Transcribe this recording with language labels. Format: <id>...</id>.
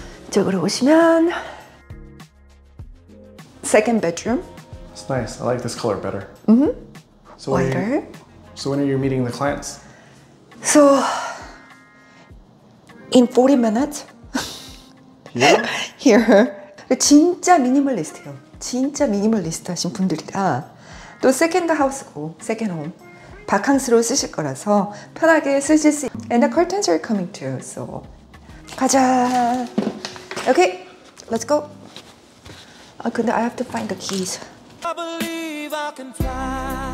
<ko>저기로 오시면</ko> <en>second bedroom. It's nice. I like this color better. Mm-hmm. So lighter. So when are you meeting the clients? So in 40 minutes. Yeah. Here.</en> <ko>진짜 미니멀리스트예요. 진짜 미니멀리스트하신 분들이라. 또 세컨드 하우스고 세컨드 홈 바캉스로 쓰실 거라서 편하게 쓰실 수</ko> <en>And the curtains are coming too, so</en> <ko>가자</ko> <en>Okay, let's go</en> <ko>근데</ko> <en>I have to find the keys I believe I can fly</en>